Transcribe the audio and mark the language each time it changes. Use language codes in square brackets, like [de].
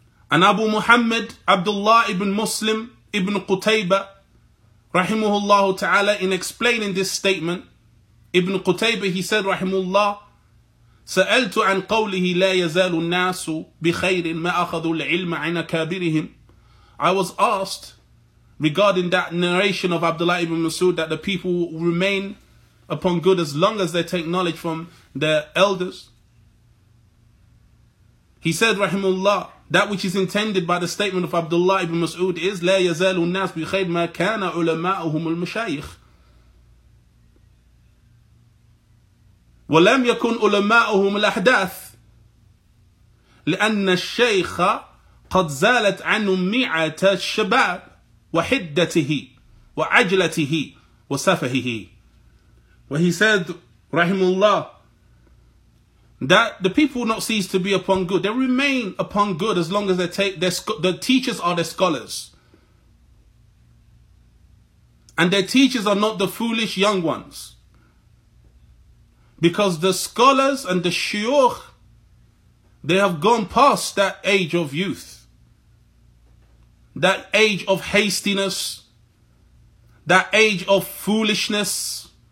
[en] And Abu Muhammad Abdullah ibn Muslim ibn Qutaybah, rahimahullah ta'ala, in explaining this statement, Ibn Qutaybah, he said, rahimahullah, [ar] سَأَلْتُ عَنْ قَوْلِهِ لَا يَزَالُ النَّاسُ بِخَيْرٍ مَا أَخَذُوا الْعِلْمَ عَنْ أَكَابِرِهِمْ. [en] I was asked regarding that narration of Abdullah ibn Mas'ud that the people will remain upon good as long as they take knowledge from their elders. He said, rahimahullah, that which is intended by the statement of Abdullah ibn Mas'ud is [ar] لَا يَزَالُ النَّاسُ بِخَيْرٍ مَا كَانَ عُلَمَاؤُهُمُ الْمَشَايِخِ وَلَمْ يَكُنْ عُلَمَاؤُهُمُ الْأَحْدَاثِ لِأَنَّ الشَّيْخَ قَدْ زَالَتْ عَنُ مِعَةَ الشَّبَابِ وَحِدَّتِهِ وَعَجْلَتِهِ وَسَفَهِهِ. [en] Where he said, rahimullah, that the people will not cease to be upon good. They remain upon good as long as they take the teachers are their scholars. And their teachers are not the foolish young ones. Because the scholars and the shuyukh, they have gone past that age of youth, that age of hastiness, that age of foolishness.